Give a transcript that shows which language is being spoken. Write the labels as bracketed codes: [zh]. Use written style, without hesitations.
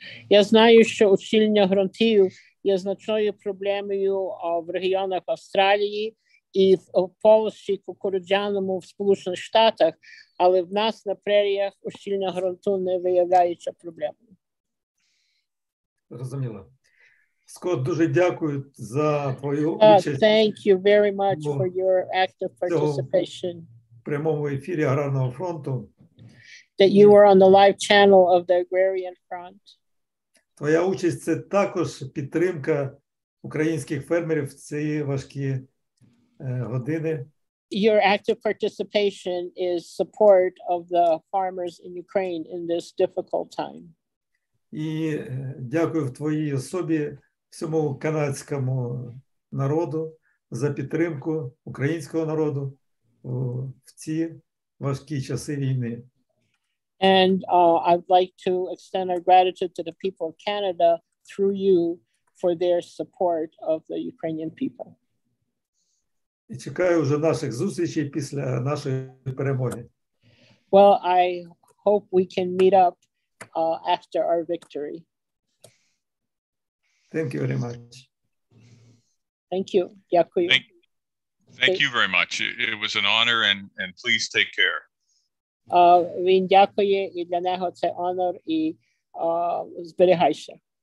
[uk] Я знаю, що ущільнення ґрунтів є значною проблемою в регіонах Австралії і полощі кукурудзяному в Сполучених Штатах, але в нас на преріях ущільня ґрунту не виявляється проблемою. Розуміло. Скотт, дуже дякую за твою участь. [en] Thank you very much for your active participation. [uk] В прямому ефірі Аграрного фронту. [en] That you were on the live channel of the Agrarian Front. [uk] Твоя участь – це також підтримка українських фермерів в ці важкі години. [en] Your active participation is support of the farmers in Ukraine in this difficult time. [uk] І дякую в твоїй особі всьому канадському народу за підтримку українського народу в ці важкі часи війни. [en] And I'd like to extend our gratitude to the people of Canada through you for their support of the Ukrainian people. [uk] І чекаю вже наших зустрічей після нашої перемоги. [en] Well, I hope we can meet up after our victory. Thank you very much. Thank you. [uk] Дякую. [en] Thank you very much. It was an honor and please take care. [uk] Він дякує, і для нього це honor, і зберігайся.